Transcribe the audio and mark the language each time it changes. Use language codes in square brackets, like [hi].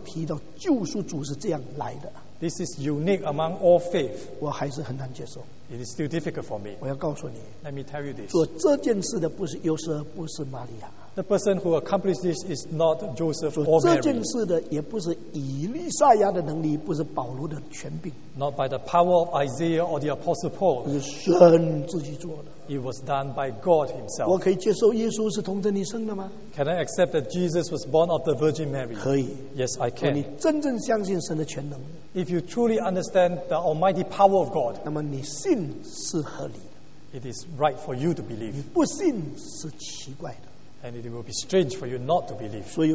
[zh] 这是众宗教中独一的宗教提到救赎主是这样来的, [en] this is unique among all faith. [zh] 我还是很难接受, [en] it is still difficult for me. [zh] 我要告诉你, [en] let me tell you this. [zh] 做这件事的不是约瑟不是玛利亚, [en] the person who accomplished this is not Joseph or Mary. [zh] 做这件事的也不是以利赛亚的能力，不是保罗的权柄, [en] not by the power of Isaiah or the Apostle Paul. [zh] 是神自己做的, [en] it was done by God himself. [zh] 我可以接受耶稣是童贞妮生的吗? [en] Can I accept that Jesus was born of the Virgin Mary? [zh] 可以, [en] yes I can. [zh] 你真正相信神的全能, [en] if you truly understand the almighty power of God, [zh] 那么你信是合理, [en] it is right for you to believe. [zh] 你不信是奇怪的, [en] and it will be strange for you not to believe.